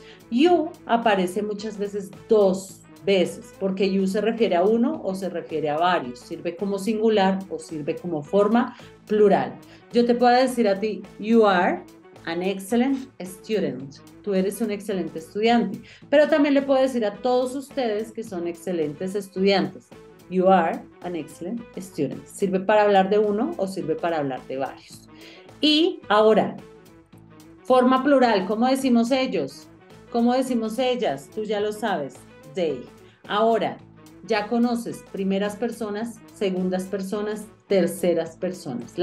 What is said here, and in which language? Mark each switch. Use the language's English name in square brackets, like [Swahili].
[Spanish] You aparece muchas veces dos veces, porque you se refiere a uno o se refiere a varios, sirve como singular o sirve como forma plural. Yo te puedo decir a ti, [English] you are an excellent student. [Spanish] Tú eres un excelente estudiante, pero también le puedo decir a todos ustedes que son excelentes estudiantes. [English] You are an excellent student. [Spanish] Sirve para hablar de uno o sirve para hablar de varios. Y ahora, forma plural, ¿cómo decimos ellos? ¿Cómo decimos ellas? Tú ya lo sabes, they. Ahora, ya conoces primeras personas, segundas personas, terceras personas.